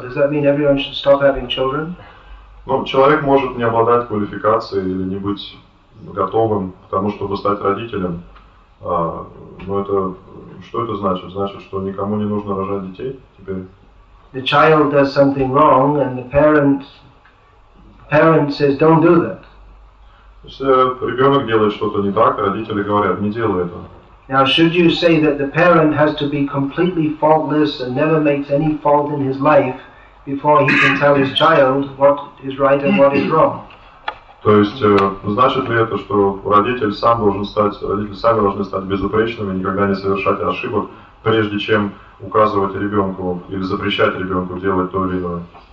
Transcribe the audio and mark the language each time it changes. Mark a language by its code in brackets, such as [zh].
[en] Does that mean everyone should stop having children? [ru] Ну, человек может не обладать квалификацией или не быть готовым к тому, чтобы стать родителем. Но это что это значит? Значит, что никому не нужно рожать детей теперь? [en] The child does something wrong, and the parent says, "Don't do that." [ru] Если ребенок делает что-то не так, родители говорят, не делай это. [en] Now, should you say that the parent has to be completely faultless and never makes any fault in his life before he can tell his child what is right and what is wrong? [ru] То есть, значит ли это, что родители сами должны стать безупречными, никогда не совершать ошибок, прежде чем указывать ребенку или запрещать ребенку делать то или иное?